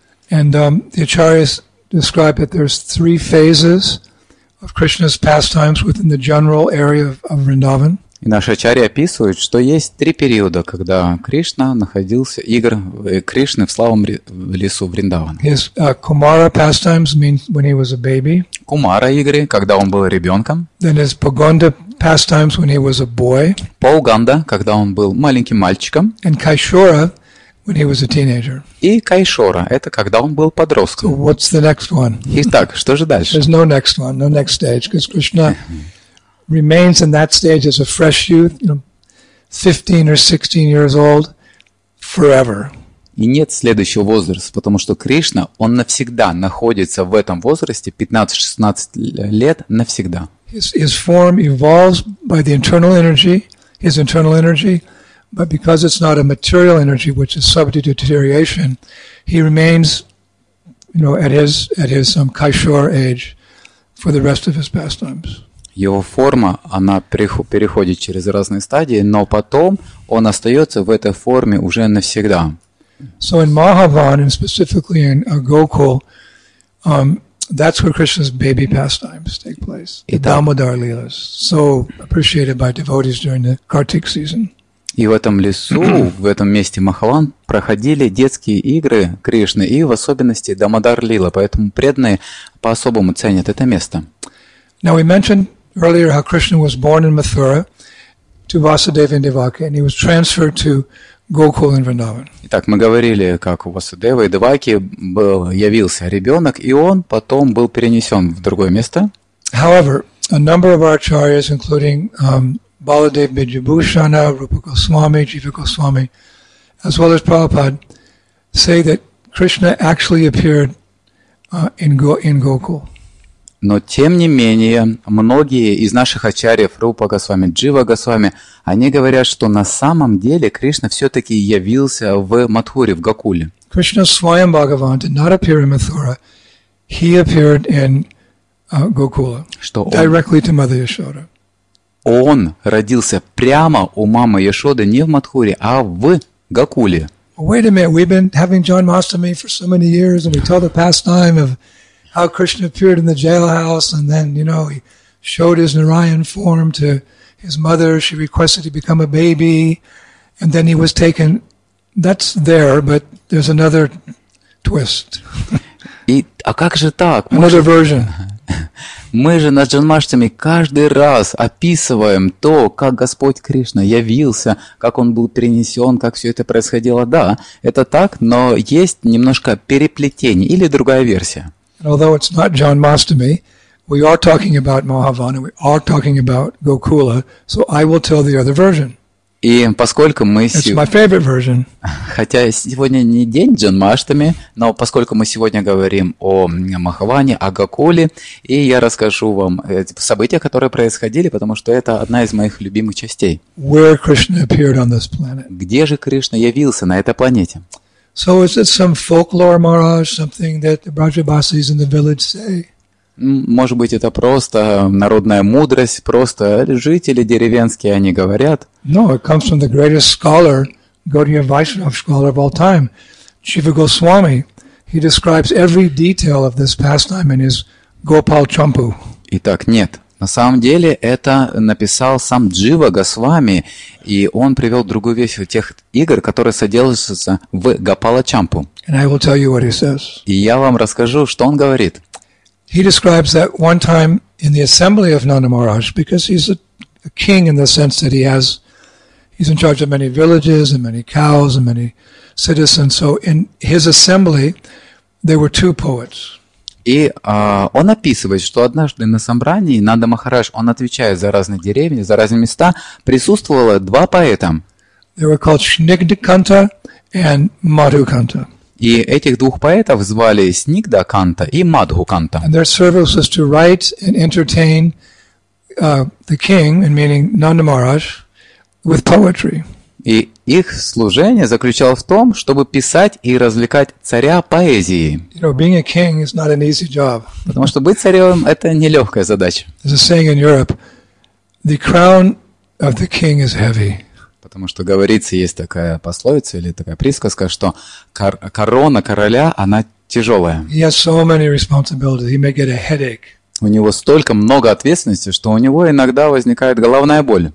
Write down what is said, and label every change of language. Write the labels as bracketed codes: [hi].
[en] And the acharyas describe that there's 3 phases. Of Krishna's pastimes within the general area of Vrindavan. [ru] И наши ачарьи описывают, что есть 3 периода, когда Кришна находился, игр Кришны в славном лесу Вриндаван. [en] His Kumara pastimes means when he was a baby. [ru] Кумара игры, когда он был ребенком. [en] Then his Pagonda pastimes when he was a boy. [ru] Пауганда, когда он был маленьким мальчиком. [en] And Кайшора when he was a teenager. [ru] И Кайшора, это когда он был подростком. [en] So what's the next one? [ru] Итак, что же дальше? [en] There's no next one, no next stage, because Krishna remains in that stage as a fresh youth, you know, 15 or 16 years old, forever. [ru] И нет следующего возраста, потому что Кришна, он навсегда находится в этом возрасте, 15-16 лет, навсегда. [en] His form evolves by the internal energy, his internal energy. But because it's not a material energy which is subject to deterioration, he remains, you know, at his Kaishor age for the rest of his pastimes. [ru] его форма, она переходит через разные стадии, но потом он остается в этой форме уже навсегда. [en] So in Mahavan, and specifically in Gokul, that's where Krishna's baby pastimes take place. The Damodar Leelas, so appreciated by devotees during the Kartik season. [ru] И в этом лесу, в этом месте Махаван, проходили детские игры Кришны, и в особенности Дамодар Лила, поэтому преданные по-особому ценят это место. [en] Now we mentioned earlier how Krishna was born in Mathura to Vasudeva and Devaki, and he was transferred to Gokul in Vrindavan. [ru] Итак, мы говорили, как у Васудевы и Деваки был, явился ребенок, и он потом был перенесен в другое место. [en] However, a number of our acharyas, including Baladev Bidyabhushana, Rupa Goswami, Jiva Goswami, as well as Prabhupada, say that Krishna actually appeared in Gokul. [ru] Но тем не менее, многие из наших ачарьев, Рупа Госвами, Джива Госвами, они говорят, что на самом деле Кришна все-таки явился в Матхуре, в Гокуле. [en] Krishna Swayam Bhagavan did not appear in Mathura. He appeared in Gokula. [ru] Что он? [en] Directly to Mother Yashoda. [ru] Он родился прямо у мамы Яшоды не в Матхуре, а в Гокуле. [en] Wait a minute, we've been having Janmashtami for so many years, and we tell the pastime of how Krishna appeared in the jailhouse, and then, you know, he showed his Narayan form to his mother. She requested he become a baby, and then he was taken. That's there, but there's another twist. [ru] И, а как же так? [en] Another version. [ru] Мы же на Джанмаштами каждый раз описываем то, как Господь Кришна явился, как Он был перенесен, как все это происходило. Да, это так, но есть немножко переплетение или другая версия. [en] And although it's not Janmashtami, we are talking about Mahavana, we are talking about Gokula, so I will tell the other version. [ru] И поскольку мы сегодня... [en] It's my favorite version. [ru] Хотя сегодня не день Джанмаштами, но поскольку мы сегодня говорим о Махаване, о Гокуле, и я расскажу вам события, которые происходили, потому что это одна из моих любимых частей. [en] Where Krishna appeared on this planet. [ru] Где же Кришна явился на этой планете? [en] So is it some folklore, Maharaj, something that the Brajabasis in the village say? [ru] Может быть, это просто народная мудрость, просто жители деревенские, они говорят. [en] No, it comes from the greatest scholar, Gaudiya Vaishnav scholar of all time, Jiva Goswami. He describes every detail of this pastime in his Gopal Champu. [ru] Итак, нет. На самом деле, это написал сам Джива Госвами, и он привел другую вещь тех игр, которые содержатся в Гопала Чампу. [en] And I will tell you what he says. [ru] И я вам расскажу, что он говорит. [en] He describes that one time in the assembly of Nanda Maharaj, because he's a king in the sense that he's in charge of many villages and many cows and many citizens. So in his assembly, there were two poets. [ru] И он описывает, что однажды на собрании Нанда Махарадж, он отвечает за разные деревни, за разные места, присутствовало два поэта. [en] They were called Snigdhakanta and Madhukanta. [ru] И этих двух поэтов звали Снигдхаканта и Мадхуканта. [en] And their service was to write and entertain the king, and meaning Nanda Maharaj, with poetry. [ru] И их служение заключалось в том, чтобы писать и развлекать царя поэзией. [en] You know, being a king is not an easy job. [ru] Потому что быть царем – это нелегкая задача. [en] There's a saying in Europe, the crown of the king is heavy. [ru] Потому что, говорится, есть такая пословица или такая присказка, что корона короля, она тяжелая. [en] He has so many responsibilities, he may get a headache. [ru] У него столько много ответственности, что у него иногда возникает головная боль.